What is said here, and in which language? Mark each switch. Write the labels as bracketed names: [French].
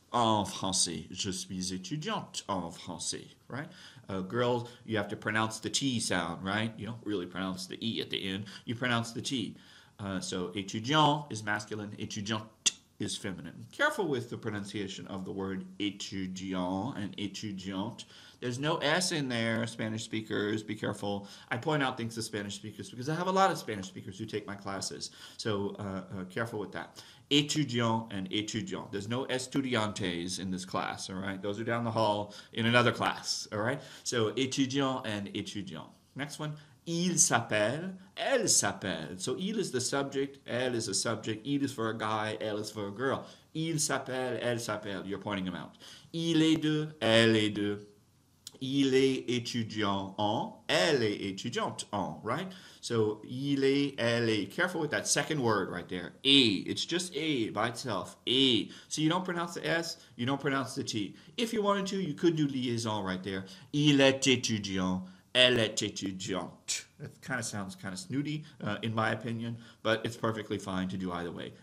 [French] En français, je suis étudiante en français, right? [English] Girls, you have to pronounce the T sound, right? You don't really pronounce the E at the end. You pronounce the T. So étudiant is masculine, étudiante is feminine. Careful with the pronunciation of the word étudiant and étudiante. There's no S in there, Spanish speakers, be careful. I point out things to Spanish speakers because I have a lot of Spanish speakers who take my classes. So careful with that. Étudiant and étudiant. There's no estudiantes in this class, all right? Those are down the hall in another class, all right? So étudiant and étudiant. Next one, [French] il s'appelle, elle s'appelle. [English] So il is the subject, elle is a subject. Il is for a guy, elle is for a girl. [French] Il s'appelle, elle s'appelle. [English] You're pointing them out. [French] Il est de, elle est de. Il est étudiant en, elle est étudiante en, right? So, il est, elle est. [English] Careful with that second word right there, E. It's just A by itself, E. So you don't pronounce the S, you don't pronounce the T. If you wanted to, you could do liaison right there. [French] Il est étudiant, elle est étudiante. [English] That kind of sounds kind of snooty, in my opinion, but it's perfectly fine to do either way.